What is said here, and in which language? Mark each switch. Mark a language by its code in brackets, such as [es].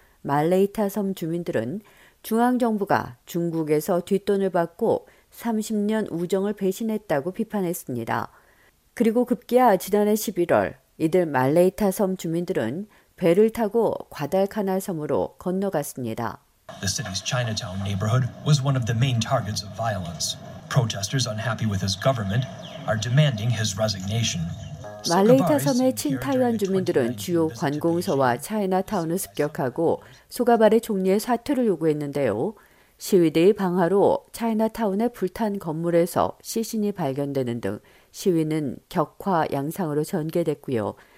[ko] 말레이타 섬 주민들은 중앙정부가 중국에서 뒷돈을 받고 30년 우정을 배신했다고 비판했습니다. 그리고 급기야 지난해 11월 이들 말레이타 섬 주민들은 배를 타고 과달카날 섬으로 건너갔습니다. [en] The city's Chinatown neighborhood was one of the main targets of violence. Protesters unhappy with his government are demanding his resignation. [ko] 말레이타 섬의 친타이완 주민들은 주요 관공서와 차이나타운을 습격하고 소가발의 총리의 사퇴를 요구했는데요. 시위대의 방화로 차이나타운의 불탄 건물에서 시신이 발견되는 등 시위는 격화 양상으로 전개됐고요.